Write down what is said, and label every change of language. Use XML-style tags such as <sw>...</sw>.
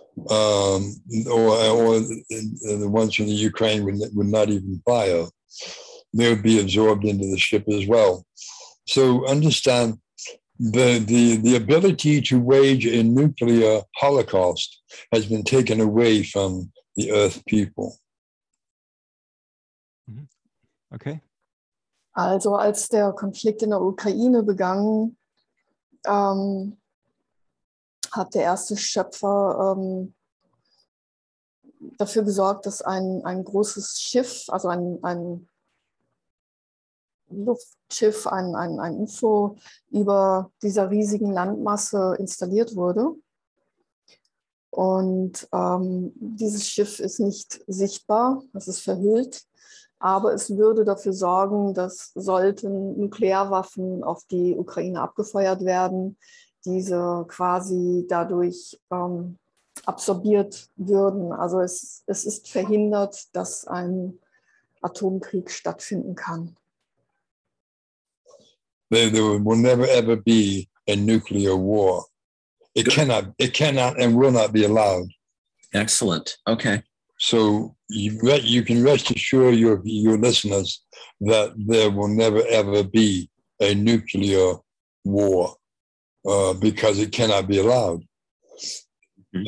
<en>Or the ones from the Ukraine would not even fire. They would be absorbed into the ship as well. So understand the ability to wage a nuclear holocaust has been taken away from the Earth people. Mm-hmm. Okay.</en> <de>Also als der Konflikt in der Ukraine begann, hat der erste Schöpfer dafür gesorgt, dass ein großes Schiff, also ein Luftschiff, ein UFO über dieser riesigen Landmasse installiert wurde. Und dieses Schiff ist nicht sichtbar, es ist verhüllt, aber es würde dafür sorgen, dass sollten Nuklearwaffen auf die Ukraine abgefeuert werden, diese quasi dadurch absorbiert würden. Also es ist verhindert, dass ein Atomkrieg stattfinden kann.</de> <en>There will never ever be a nuclear war. It cannot and will not be allowed. Excellent. Okay. So you can rest assured your listeners that there will never ever be a nuclear war because it cannot be allowed. Mm-hmm.</en>